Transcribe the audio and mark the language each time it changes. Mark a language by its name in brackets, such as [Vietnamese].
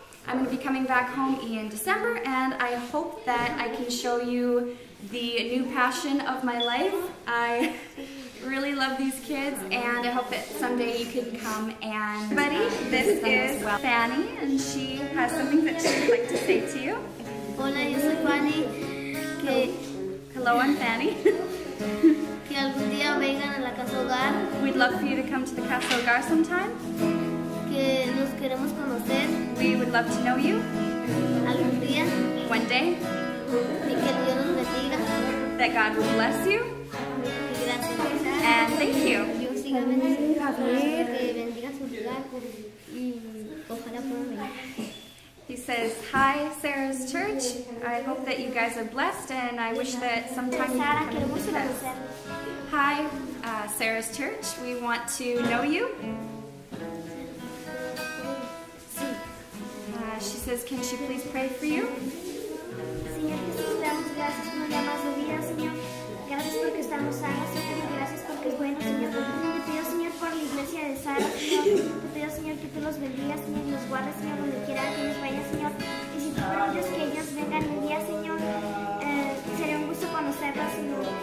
[English] I'm going to be coming back home in December, and I hope that I can show you the new passion of my life. I really love these kids, and I hope that someday you can come and buddy, this is Fanny, and she has something that she would like to say to you. [Spanish] Hola, yo soy Fanny. [English] Hello, I'm Fanny. [Spanish] Que algún día vengan a la Casa Hogar. [English] We'd love for you to come to the Casa Hogar sometime. [Spanish] Que nos queremos conocer. [English] We would love to know you. [Spanish] Algún día. [English] One day. [Spanish] Y que Dios nos bendiga. [English] That God will bless you. [Spanish] Y gracias. [English] And thank you. [Spanish] Dios siga bendiga su lugar y ojalá pueda venir. [English] He says, hi, Sarah's church. I hope that you guys are blessed, and I wish that sometime you can come visit us. Hi, Sarah's church. We want to know you. She says, can she please pray for you? [Spanish] Señor Jesús, damos gracias por un día más de vida, Señor. Gracias porque estamos sanos, Señor. Gracias porque es bueno, Señor. Te pido, Señor, por la iglesia de Sara, Señor. Te pido, Señor, que tú los bendigas, Señor, y los guardes, Señor, donde quiera que ellos vayan, Señor. Y si tú permites que ellos vengan un día, Señor, sería un gusto conocerlos, Señor.